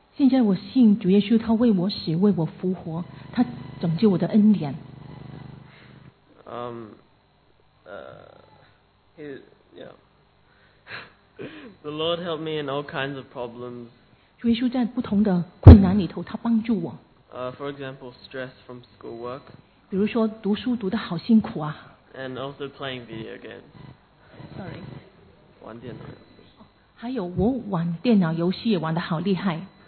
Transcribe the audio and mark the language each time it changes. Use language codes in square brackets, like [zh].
[zh] 现在我信主耶稣，他为我死，为我复活，他拯救我的恩典。 [en] The Lord helped me in all kinds of problems. [zh] 主耶稣在不同的困难里头，他帮助我。 [en] For example, stress from schoolwork. [zh] 比如说读书读得好辛苦啊。 [en] And also playing video games. Sorry. [zh] 玩电脑。还有我玩电脑游戏也玩得好厉害。